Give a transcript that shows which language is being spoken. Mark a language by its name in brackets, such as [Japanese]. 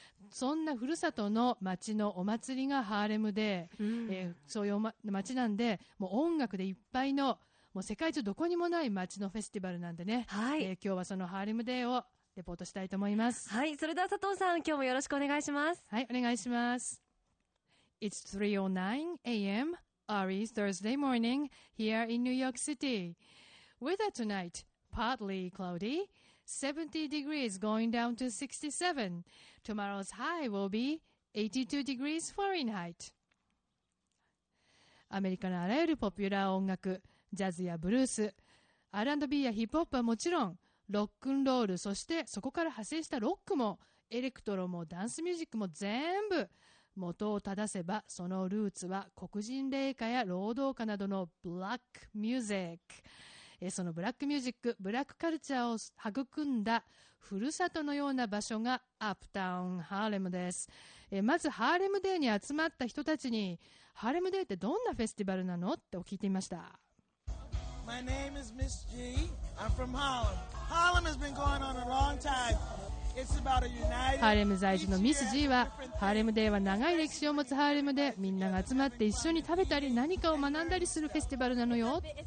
[Japanese] そんなふるさとの街のお祭りがハーレムで、そういう街なんで、もう音楽でいっぱいの、もう世界中どこにもない街のフェスティバルなんでね、はい、今日はそのハーレムデーをレポートしたいと思います。はい、それでは佐藤さん、今日もよろしくお願いします。はい、お願いします。 [English] It's 3:09 AM early Thursday morning here in New York City. Weather tonight partly cloudy, 70 degrees going down to 67. Tomorrow's high will be 82 degrees Fahrenheit. [Japanese] アメリカのあらゆるポピュラー音楽、ジャズやブルース、R&B やヒップホップはもちろん、ロックンロール、そしてそこから派生したロックも、エレクトロもダンスミュージックも全部、元を正せばそのルーツは黒人霊歌や労働歌などのブラックミュージック。そのブラックミュージック、ブラックカルチャーを育んだふるさとのような場所がアップタウン、ハーレムです。まずハーレムデーに集まった人たちに、ハーレムデーってどんなフェスティバルなの？って聞いてみました。 [English] My name is Miss G. I'm from Harlem. Harlem has been going on a long time. It's about a united. [Japanese] ハーレム在住のミス G は、ハーレムデーは長い歴史を持つハーレムで、みんなが集まって一緒に食べたり何かを学んだりするフェスティバルなのよ。